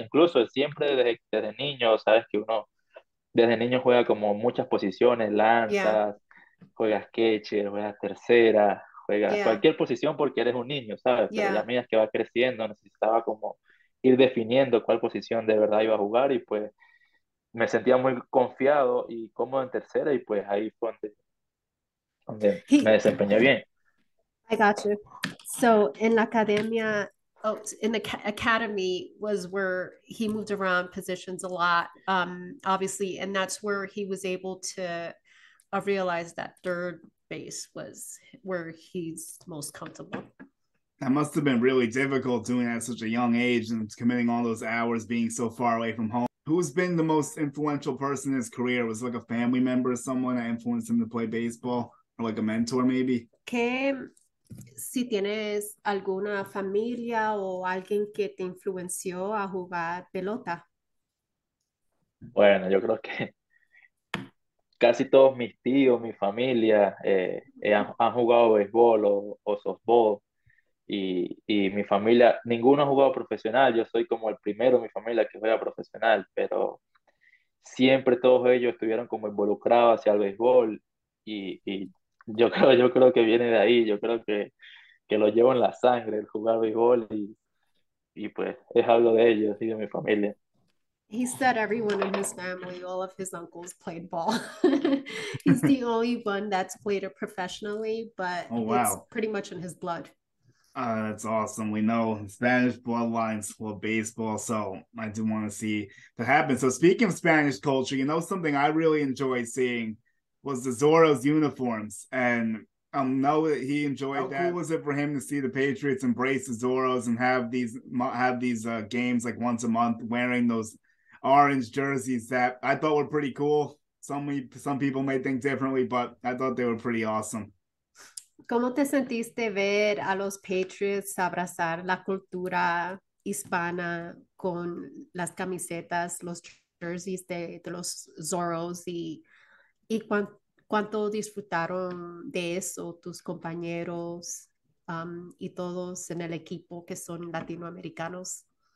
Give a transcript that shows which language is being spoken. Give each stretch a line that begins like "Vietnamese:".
Spanish: Incluso siempre desde niño, sabes que uno desde niño juega como muchas posiciones, lanzas, juegas catcher, juegas tercera, juegas cualquier posición porque eres un niño, ¿sabes? Pero ya a medida que va creciendo, necesitaba como ir definiendo cuál posición de verdad iba a jugar y pues me sentía muy confiado y cómodo en tercera y pues ahí fue donde me desempeñé bien.
English: I got you. So in
Spanish: la academia,
English: oh, in the academy was where he moved around positions a lot, obviously, and that's where he was able to realize that third base was where he's most comfortable. That must have been really difficult doing that at such a young age and committing all those hours being so far away from home. Who's been the most influential person in his career? Was it like a family member or someone that influenced him to play baseball, or like a mentor maybe?
Spanish: ¿Qué si tienes alguna familia o alguien que te influenció a jugar pelota? Bueno, yo creo que casi todos mis tíos, mi familia, han jugado béisbol o softball. Y mi familia, ninguno ha jugado profesional, yo soy como el primero en mi familia que juega profesional, pero siempre todos ellos estuvieron como involucrados hacia el béisbol y yo creo que viene de ahí, yo creo que lo llevo en la sangre el jugar béisbol y pues es algo de ellos y de mi familia.
English: He said everyone in his family, all of his uncles played ball. He's the only one that's played it professionally, but Oh, it's wow. pretty much in his blood. That's awesome. We know Spanish bloodlines love baseball, so I do want to see that happen. So speaking of Spanish culture, you know something I really enjoyed seeing was the Zorro's uniforms, and I know that he enjoyed How cool that. was Was it for him to see the Patriots embrace the Zorro's and have these games like once a month wearing those orange jerseys that I thought were pretty cool? Some people may think differently, but I thought they were pretty awesome.
Spanish: ¿Cómo te sentiste ver a los Patriots abrazar la cultura hispana con las camisetas, los jerseys de los Zorros y cuánto disfrutaron de eso tus compañeros y todos en el equipo que son latinoamericanos?